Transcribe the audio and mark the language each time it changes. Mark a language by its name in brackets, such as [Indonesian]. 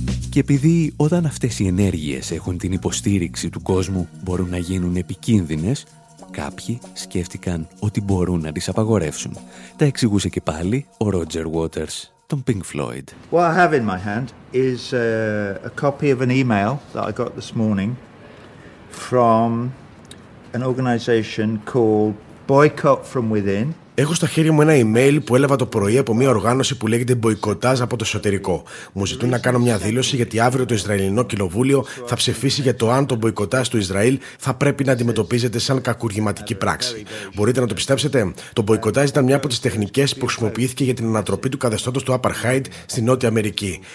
[Greek] Και επειδή όταν αυτές οι ενέργειες έχουν την υποστήριξη του κόσμου μπορούν να γίνουν επικίνδυνες, κάποιοι σκέφτηκαν ότι μπορούν να τις απαγορεύσουν. Τα εξηγούσε και πάλι ο Roger Waters, τον Pink Floyd. [English] What I have in my hand is a copy of an email that I got this morning from an organization called Boycott From Within. [Greek] Έχω στο χέρι μου ένα email που έλαβα το πρωί από μια οργάνωση που λέγεται Μποϊκοτάζ από το εσωτερικό. Μου ζητούν να κάνω μια δήλωση γιατί αύριο το Ισραηλινό Κοινοβούλιο θα ψηφίσει για το αν το μποϊκοτάζ του Ισραήλ θα πρέπει να αντιμετωπίζεται σαν κακουργηματική πράξη. Μπορείτε να το πιστέψετε, το μποϊκοτάζ ήταν μια από τις τεχνικές που χρησιμοποιήθηκε για την ανατροπή του καθεστώτος του Apartheid στη Νότια Αμερική.